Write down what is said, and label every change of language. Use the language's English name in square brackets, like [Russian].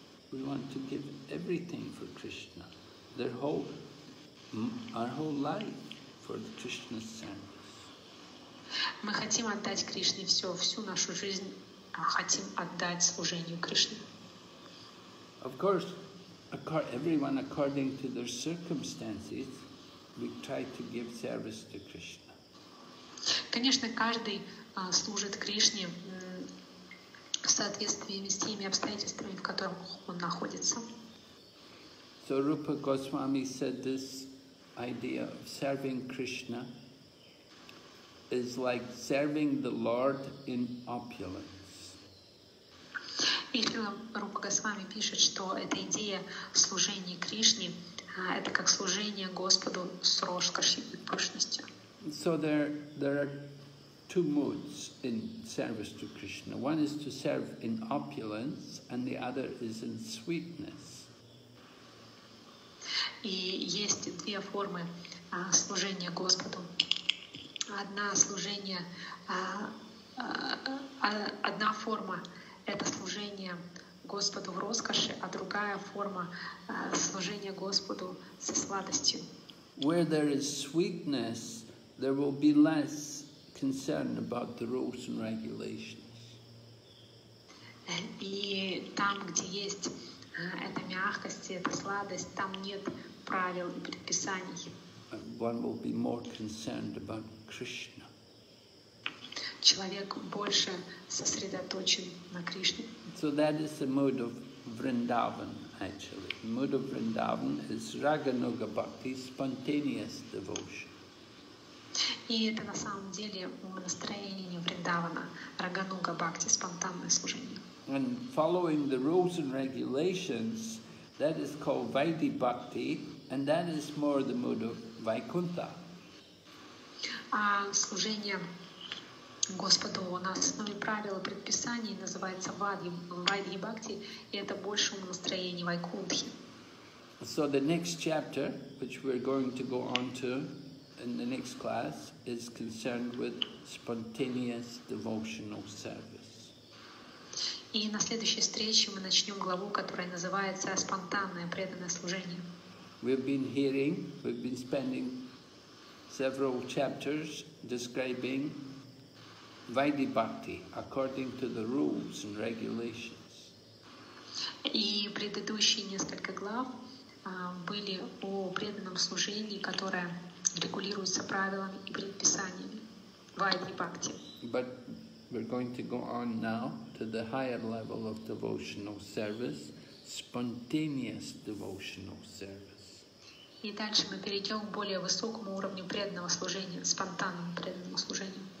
[English] We want to give everything for Krishna, our whole life for the Krishna service. [Russian] Мы хотим отдать Кришне всю нашу жизнь. Хотим отдать служению Кришне. [English] Of course, everyone according to their circumstances, we try to give service to Krishna. [Russian] Конечно, каждый служит Кришне в соответствии с теми обстоятельствами, в которых он находится. [English] So Rupa Goswami said this idea of serving Krishna is like serving the Lord in opulence. [Russian] И Рупа Госвами пишет, что эта идея служения Кришне — это как служение Господу с роскошью и пышностью. [English] So there are two modes in service to Krishna. One is to serve in opulence, and the other is in sweetness. [Russian] И есть две формы служения Господу. Одна форма — это служение Господу в роскоши, а другая форма служения Господу со сладостью. [English] Where there is sweetness, there will be less concern about the rules and regulations. [Russian] И там, где есть эта мягкость, эта сладость, там нет правил и предписаний. [English] One will be more concerned about Krishna. [Russian] Человек больше сосредоточен на Кришне. [English] So that is the mood of Vrindavan, actually. Mudra Vrindavan is Raganuga Bhakti, spontaneous devotion. [Russian] И это на самом деле настроение Вриндавана, Рагануга Бхакти, спонтанное служение. [English] And following the rules and regulations, that is called Vaidhi Bhakti, and that is more the mood of Vaikuntha. [Russian] Служение Господу на основе правил и предписаний называется Вайди Бхакти, и это больше настроение Вайкунтхи. [English] So the next chapter, which we're going to go on to in the next class, is concerned with spontaneous devotional service. [Russian] И на следующей встрече мы начнем главу, которая называется «Спонтанное преданное служение». [English] We've been hearing, we've been spending several chapters describing Vaidhi Bhakti according to the rules and regulations. [Russian] И предыдущие несколько глав были о преданном служении, которое регулируется правилами и предписаниями Vaidhi Bhakti. [English] But we're going to go on now to the higher level of devotional service, spontaneous devotional service. [Russian] И дальше мы перейдем к более высокому уровню преданного служения, спонтанному преданному служению.